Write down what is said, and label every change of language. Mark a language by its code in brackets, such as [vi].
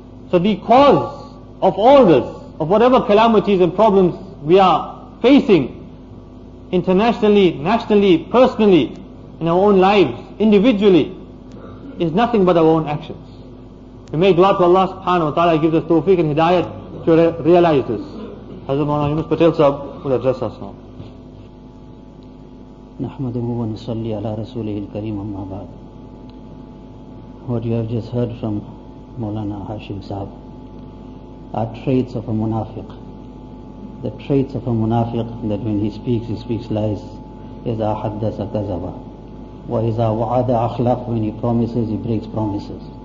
[en] So the cause of all this, of whatever calamities and problems we are facing internationally, nationally, personally, in our own lives, individually, is nothing but our own actions. We make dua to Allah subhanahu wa ta'ala, gives us tawfiq and hidayat to realize this. Hazrat Maulana Yunus Patel sahab will address us now. [ar] نحمده ونصلي على رسوله الكريم أما بعد. [en] What you have just heard from Maulana Hashim Sahib are traits of a munafiq. The traits of a munafiq, that when he speaks lies. [ar] إذا حدث كذب وإذا وعد أخلاق, [en] when he promises, he breaks promises.